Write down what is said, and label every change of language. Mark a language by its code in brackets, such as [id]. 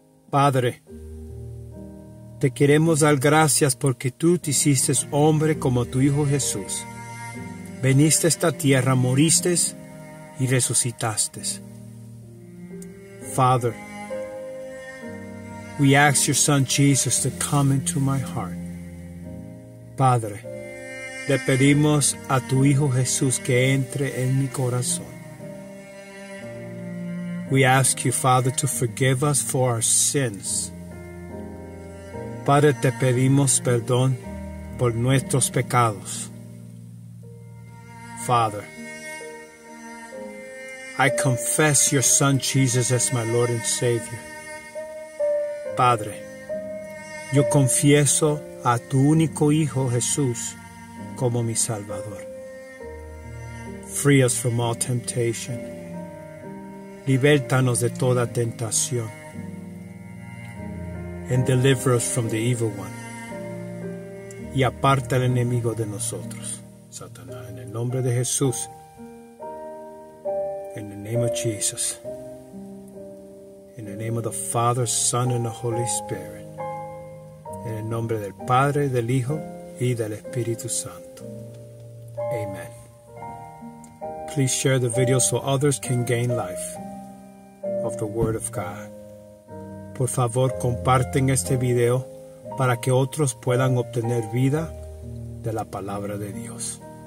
[es] Padre, te queremos dar gracias porque tú te hiciste hombre como tu Hijo Jesús. Veniste a esta tierra, moriste y resucitaste. [en] Father, we ask your son Jesus to come into my heart. [es] Padre, le pedimos a tu hijo Jesús que entre en mi corazón. [en] We ask you, Father, to forgive us for our sins. [es] Padre, te pedimos perdón por nuestros pecados. [en] Father, I confess your son Jesus as my Lord and Savior. [es] Padre, yo confieso a tu único hijo Jesús como mi Salvador. [en] Free us from all temptation. [es] Libertanos de toda tentación. [en] And deliver us from the evil one. [es] Y aparta al enemigo de nosotros, Satanás. En el nombre de Jesús. [en] In the name of Jesus. In the name of the Father, Son, and the Holy Spirit. [es] En el nombre del Padre, del Hijo, y del Espíritu Santo. [en] Amen. Please share the video so others can gain life. Of the Word of God. [es] Por favor, comparten este video para que otros puedan obtener vida de la palabra de Dios.